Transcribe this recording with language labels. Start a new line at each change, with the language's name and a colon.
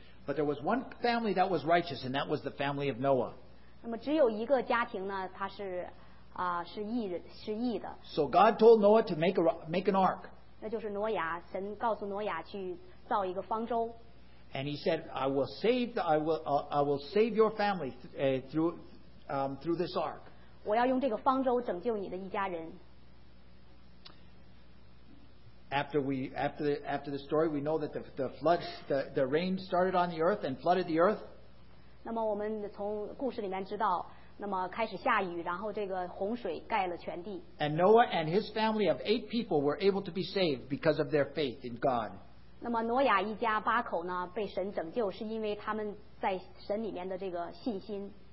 English: But there was one family that was righteous, and that was the family of Noah.
Chinese: 那么只有一个家庭呢，他是是义人，是义的。
English: So God told Noah to make an ark.
Chinese: 那就是挪亚，神告诉挪亚去造一个方舟。
English: And he said, I will save your family through this ark.
Chinese: 我要用这个方舟拯救你的一家人。
English: After the story, we know that the floods, the rain started on the earth and flooded the earth.
Chinese: 那么我们从故事里面知道，那么开始下雨，然后这个洪水盖了全地。
English: And Noah and his family of 8 people were able to be saved because of their faith in God.
Chinese: 那么挪亚一家八口呢被神拯救是因为他们在神里面的这个信心。